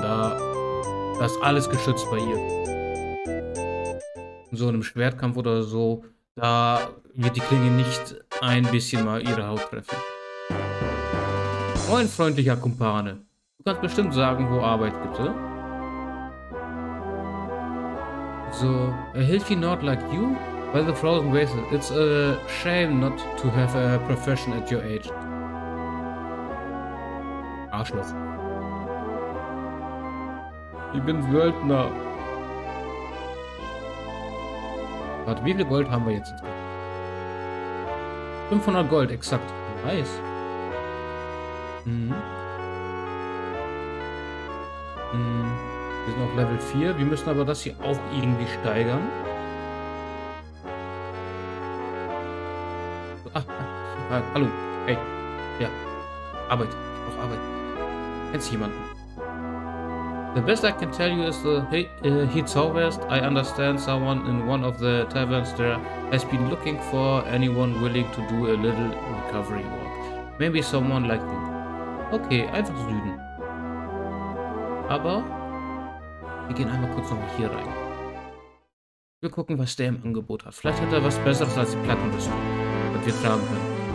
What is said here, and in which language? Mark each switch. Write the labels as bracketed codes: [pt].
[de] Da ist alles geschützt bei ihr. So in einem Schwertkampf oder so, da wird die Klinge nicht ein bisschen mal ihre Haut treffen. Moin, freundlicher Kumpane. Du kannst bestimmt sagen, wo Arbeit gibt, oder? [en] So, a healthy nerd like you? By the frozen wastes, it's a shame not to have a profession at your age. [de] Arschloch. Ich bin Söldner. Warte, wie viel Gold haben wir jetzt? 500 Gold, exakt. Nice. Wir sind auf Level 4. Wir müssen aber das hier auch irgendwie steigern. Hallo. Hey. Ja. Arbeit. Ich brauche Arbeit. Kennst du jemanden? [en] The best I can tell you is the heat's harvest. I understand someone in one of the taverns there has been looking for anyone willing to do a little recovery work. Maybe someone like you. [de] Okay, einfach Süden. Aber wir gehen einmal kurz noch hier rein. Wir gucken, was der im Angebot hat. Vielleicht hat er was Besseres als die Plattenrüstung, was wir tragen können.